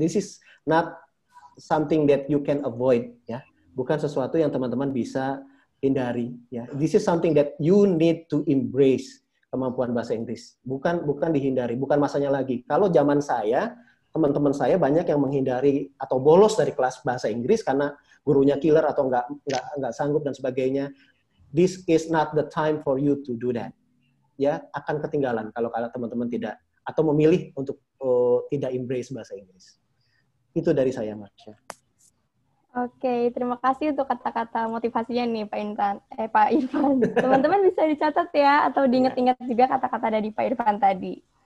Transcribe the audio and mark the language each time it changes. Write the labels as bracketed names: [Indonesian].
[English] This is not something that you can avoid ya. [Indonesian] Bukan sesuatu yang teman-teman bisa hindari ya. [English] This is something that you need to embrace. [Indonesian] Kemampuan bahasa Inggris bukan dihindari, bukan masanya lagi. Kalau zaman saya, teman-teman saya banyak yang menghindari atau bolos dari kelas bahasa Inggris karena gurunya killer atau enggak sanggup dan sebagainya. [English] This is not the time for you to do that. [Indonesian] Ya, akan ketinggalan kalau teman-teman tidak atau memilih untuk tidak embrace bahasa Inggris. Itu dari saya, Marsha. Oke, terima kasih untuk kata-kata motivasinya nih Pak Irfan. Pak Irfan. Teman-teman bisa dicatat ya atau diingat-ingat juga kata-kata dari Pak Irfan tadi.